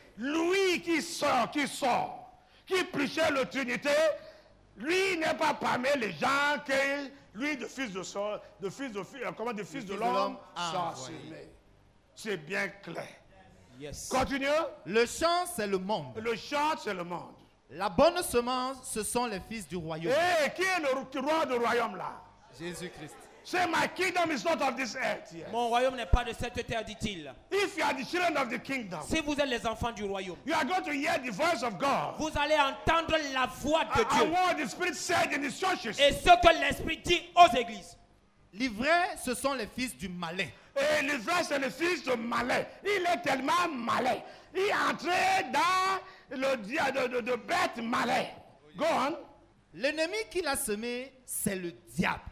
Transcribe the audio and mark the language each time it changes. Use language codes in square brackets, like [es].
[fr] Lui qui sort, qui prêchait la Trinité, lui n'est pas parmi les gens que lui, de fils de l'homme, s'assumait. C'est bien clair. [en] Yes. [fr] Continuons. Le champ, c'est le monde. Le champ, c'est le monde. La bonne semence, ce sont les fils du royaume. Hé, hey, qui est le roi du royaume là? Jésus-Christ. [en] Say, my kingdom is not of this earth. Yes. [fr] Mon royaume n'est pas de cette terre, dit-il. [en] If you are the children of the kingdom, [fr] si vous êtes les enfants du royaume, [en] you are going to hear the voice of God. [fr] Vous allez entendre la voix de Dieu. [en] And what the Spirit said in the churches. [fr] Et ce que l'Esprit dit aux églises. Les vrais, ce sont les fils du malin. Et les vrais, c'est les fils du malin. Il est tellement malin. Il est entré dans le diable de bête malin. [en] Go on. [fr] L'ennemi qui l'a semé, c'est le diable.